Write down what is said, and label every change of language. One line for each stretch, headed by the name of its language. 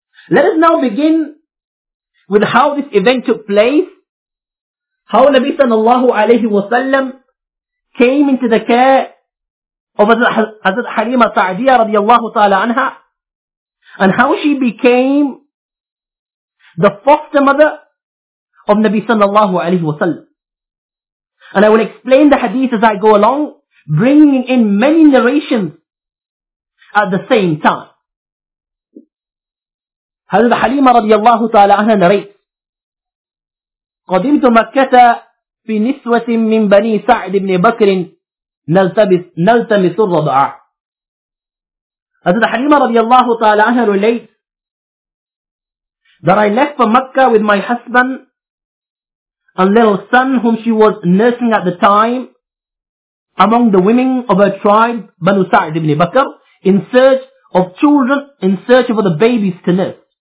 English: Let us now begin with how this event took place, how Nabi sallallahu alayhi wa sallam came into the care of Hazrat Halima Sa'diyah radiallahu ta'ala anha, and how she became the foster mother of Nabi sallallahu alayhi wa sallam. And I will explain the hadith as I go along, bringing in many narrations at the same time. Hazrat Halima radiallahu ta'ala anha narrates,
Arabic: قَدِمْتُ مَكَّةَ فِي نِسْوَةٍ مِّن بَنِي سَعْدِ بْنِ بَكْرٍ نَلْتَمِسُ الرَّضَعَ.
English: Hazrat Halima radiallahu ta'ala anha relates that I left for Mecca with my husband and little son whom she was nursing at the time among the women of her tribe, Banu Sa'd ibn Bakr, in search of children, in search of the babies to nurse.